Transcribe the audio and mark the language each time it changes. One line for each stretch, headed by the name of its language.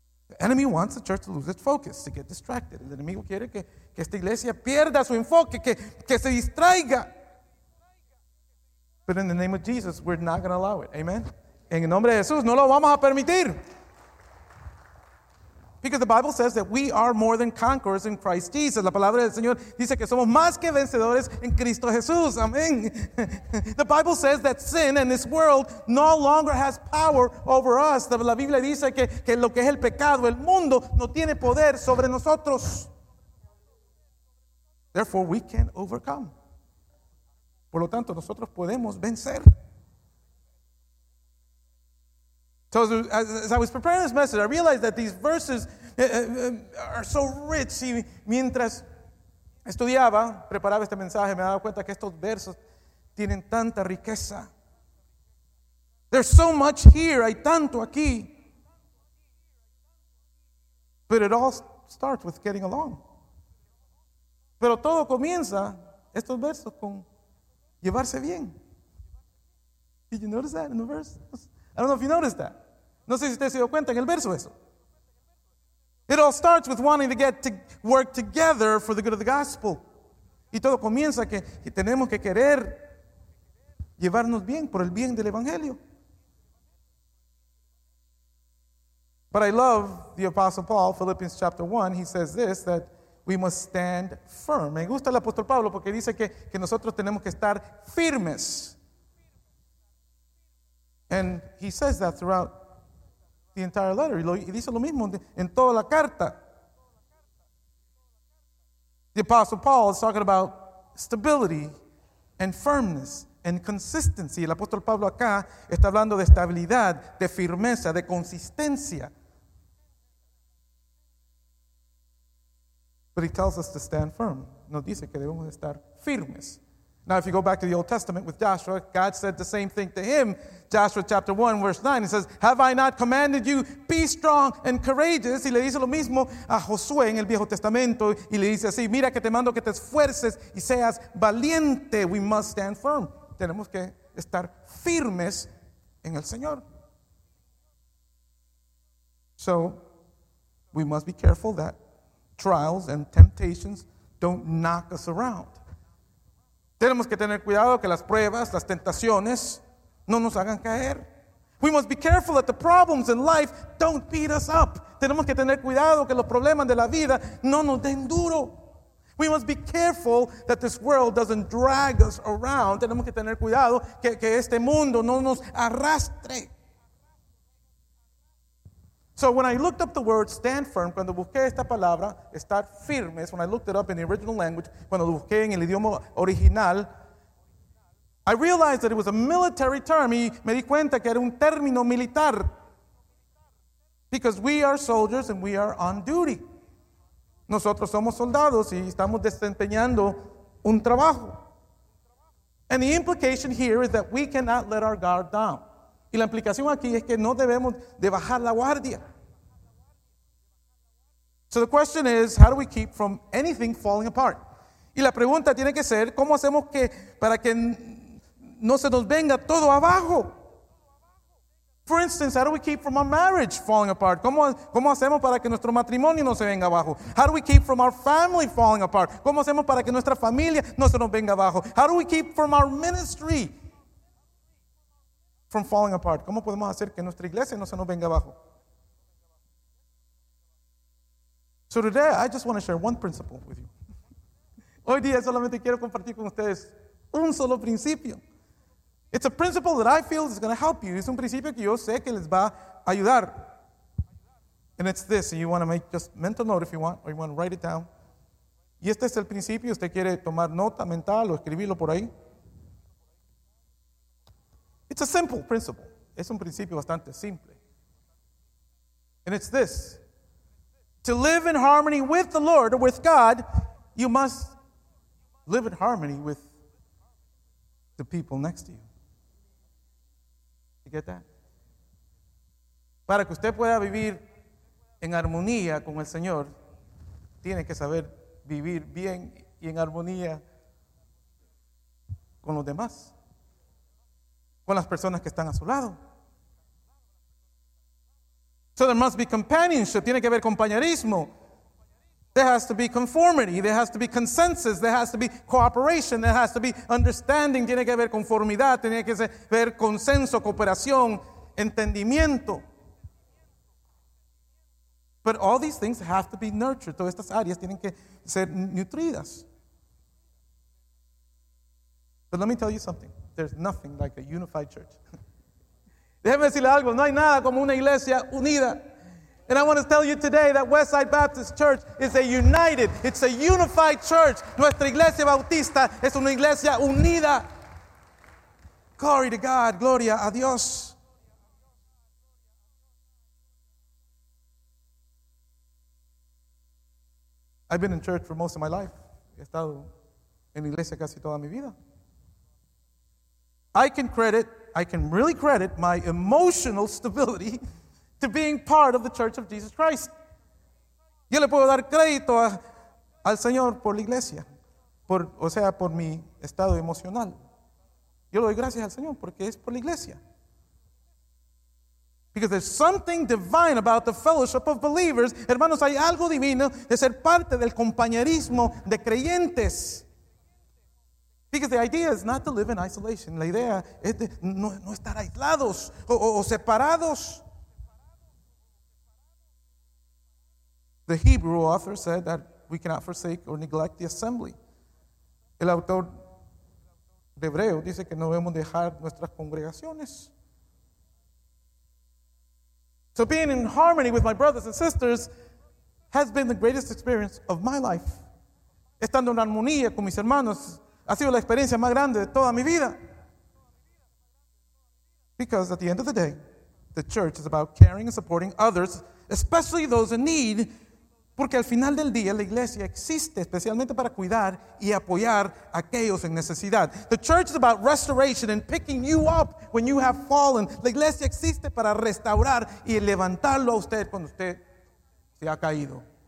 English: The enemy wants the church to lose its focus, to get distracted.
Spanish: El enemigo quiere que esta iglesia pierda su enfoque, que se distraiga.
English: But in the name of Jesus, we're not going to allow it. Amen?
Spanish: En el nombre de Jesús, no lo vamos a permitir.
English: Because the Bible says that we are more than conquerors in Christ Jesus.
Spanish: La palabra del Señor dice que somos más que vencedores en Cristo Jesús. Amén.
English: The Bible says that sin and this world no longer has power over us.
Spanish: La Biblia dice que lo que es el pecado, el mundo, no tiene poder sobre nosotros.
English: Therefore, we can overcome.
Spanish: Por lo tanto, nosotros podemos vencer.
English: So as I was preparing this message, I realized that these verses are so rich.
Spanish: Y mientras estudiaba, preparaba este mensaje, me daba cuenta que estos versos tienen tanta riqueza.
English: There's so much here,
Spanish: hay tanto aquí.
English: But it all starts with getting along.
Spanish: Pero todo comienza, estos versos, con llevarse bien.
English: Did you notice that in the verses? I don't know if you noticed that.
Spanish: No sé si usted se dio cuenta en el verso eso.
English: It all starts with wanting to get to work together for the good of the gospel.
Spanish: Y todo comienza que tenemos que querer llevarnos bien por el bien del evangelio.
English: But I love the Apostle Paul, Philippians chapter 1. He says this, that we must stand firm.
Spanish: Me gusta el apóstol Pablo porque dice que nosotros tenemos que estar firmes.
English: And he says that throughout the entire letter.
Spanish: He dice lo mismo en toda la carta.
English: The Apostle Paul is talking about stability and firmness and consistency.
Spanish: El apóstol Pablo acá está hablando de estabilidad, de firmeza, de consistencia.
English: But he tells us to stand firm.
Spanish: Nos dice que debemos estar firmes.
English: Now, if you go back to the Old Testament with Joshua, God said the same thing to him. Joshua chapter 1, verse 9, he says, have I not commanded you, be strong and courageous?
Spanish: Y le dice lo mismo a Josué en el Viejo Testamento. Y le dice así, mira que te mando que te esfuerces y seas valiente.
English: We must stand firm.
Spanish: Tenemos que estar firmes en el Señor.
English: So we must be careful that trials and temptations don't knock us around.
Spanish: Tenemos que tener cuidado que las pruebas, las tentaciones, no nos hagan caer.
English: We must be careful that the problems in life don't beat us up.
Spanish: Tenemos que tener cuidado que los problemas de la vida no nos den duro.
English: We must be careful that this world doesn't drag us around.
Spanish: Tenemos que tener cuidado que este mundo no nos arrastre.
English: So when I looked up the word stand firm,
Spanish: cuando busqué esta palabra, estar firmes,
English: when I looked it up in the original language,
Spanish: cuando lo busqué en el idioma original,
English: I realized that it was a military term.
Spanish: Y me di cuenta que era un término militar.
English: Because we are soldiers and we are on duty.
Spanish: Nosotros somos soldados y estamos desempeñando un trabajo.
English: And the implication here is that we cannot let our guard down.
Spanish: Y la implicación aquí es que no debemos de bajar la guardia.
English: So the question is, how do we keep from anything falling apart?
Spanish: Y la pregunta tiene que ser, ¿cómo hacemos que para que no se nos venga todo abajo?
English: For instance, how do we keep from our marriage falling apart?
Spanish: ¿Cómo hacemos para que nuestro matrimonio no se venga abajo?
English: How do we keep from our family falling apart?
Spanish: ¿Cómo hacemos para que nuestra familia no se nos venga abajo?
English: How do we keep from our ministry from falling apart?
Spanish: ¿Cómo podemos hacer que nuestra iglesia no se nos venga abajo?
English: So today, I just want to share one principle with you.
Spanish: Hoy día solamente quiero compartir con ustedes un solo principio.
English: It's a principle that I feel is going to help you.
Spanish: Es un principio que yo sé que les va a ayudar.
English: And it's this, and you want to make just mental note if you want, or you want to write it down.
Spanish: Y este es el principio, usted quiere tomar nota mental o escribirlo por ahí.
English: It's a simple principle.
Spanish: Es un principio bastante simple.
English: And it's this. To live in harmony with the Lord or with God, you must live in harmony with the people next to you. You get that?
Spanish: Para que usted pueda vivir en armonía con el Señor, tiene que saber vivir bien y en armonía con los demás, con las personas que están a su lado.
English: So there must be companionship.
Spanish: Tiene que haber compañerismo.
English: There has to be conformity. There has to be consensus. There has to be cooperation. There has to be understanding.
Spanish: Tiene que haber conformidad. Tiene que haber consenso, cooperación, entendimiento.
English: But all these things have to be nurtured.
Spanish: Todas estas áreas tienen que ser nutridas.
English: But let me tell you something. There's nothing like a unified church.
Spanish: Déjeme decirle algo, no hay nada como una iglesia unida.
English: And I want to tell you today that Westside Baptist Church is a united, it's a unified church.
Spanish: Nuestra iglesia bautista es una iglesia unida.
English: Glory to God,
Spanish: gloria a Dios.
English: I've been in church for most of my life.
Spanish: He estado en iglesia casi toda mi vida.
English: I can really credit my emotional stability to being part of the Church of Jesus Christ.
Spanish: Yo le puedo dar crédito al Señor por la iglesia, por mi estado emocional. Yo le doy gracias al Señor porque es por la iglesia.
English: Because there's something divine about the fellowship of believers.
Spanish: Hermanos, hay algo divino de ser parte del compañerismo de creyentes.
English: Because the idea is not to live in isolation.
Spanish: La idea es de no estar aislados o separados.
English: The Hebrew author said that we cannot forsake or neglect the assembly.
Spanish: El autor de Hebreo dice que no debemos dejar nuestras congregaciones.
English: So being in harmony with my brothers and sisters has been the greatest experience of my life.
Spanish: Estando en armonía con mis hermanos ha sido la experiencia más grande de toda mi vida.
English: Because at the end of the day, the church is about caring and supporting others, especially those in need.
Spanish: Porque al final del día, la iglesia existe especialmente para cuidar y apoyar a aquellos en necesidad.
English: The church is about restoration and picking you up when you have fallen.
Spanish: La iglesia existe para restaurar y levantarlo a usted cuando usted se ha caído.